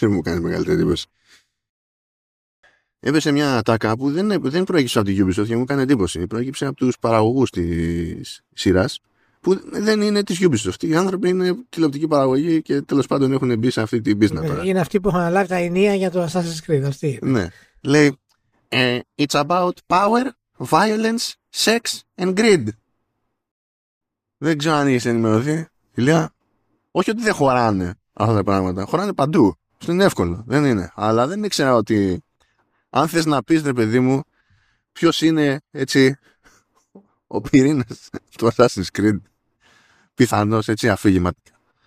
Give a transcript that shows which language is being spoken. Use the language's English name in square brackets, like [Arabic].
[Greek] Μου κάνει μεγαλύτερη εντύπωση. Έπεσε μια ατάκα που δεν προέκυψε από την Ubisoft και μου κάνει εντύπωση. Προέκυψε από τους παραγωγούς της σειράς που δεν είναι της Ubisoft. Οι άνθρωποι είναι τηλεοπτική παραγωγή και τέλος πάντων έχουν μπει σε αυτή την business. Είναι τώρα. Αυτοί που έχουν αλλάξει τα ενία για το Assassin's Creed. Αυτοί. Ναι. Λέει, [English] it's about power, violence, sex and greed. [Greek] Δεν ξέρω αν είσαι ενημερωθεί. Ηλία, όχι ότι δεν χωράνε αυτά τα πράγματα. Χωράνε παντού. Αυτό είναι εύκολο. Δεν είναι. Αλλά δεν ήξερα ότι αν θες να πεις, ρε παιδί μου, ποιος είναι έτσι ο πυρήνας του Assassin's Creed, πιθανώς έτσι αφήγηματικά.